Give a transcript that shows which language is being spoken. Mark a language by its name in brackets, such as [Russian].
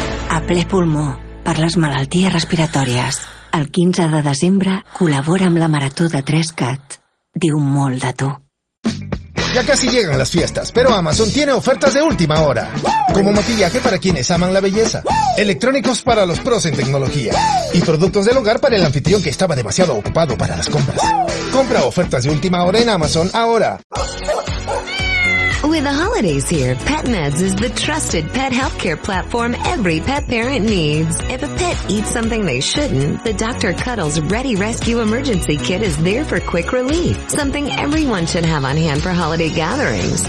[Catalan] A ple pulmó per les malalties respiratòries. El 15 de desembre col·labora amb la Marató de 3CAT. Diu molt de tu. [Spanish] Ya casi llegan las fiestas, pero Amazon tiene ofertas de última hora. Como maquillaje para quienes aman la belleza. Electrónicos para los pros en tecnología. Y productos del hogar para el anfitrión que estaba demasiado ocupado para las compras. Compra ofertas de última hora en Amazon ahora. [English] With the holidays here, PetMeds is the trusted pet healthcare platform every pet parent needs. If a pet eats something they shouldn't, the Dr. Cuddles Ready Rescue Emergency Kit is there for quick relief, something everyone should have on hand for holiday gatherings.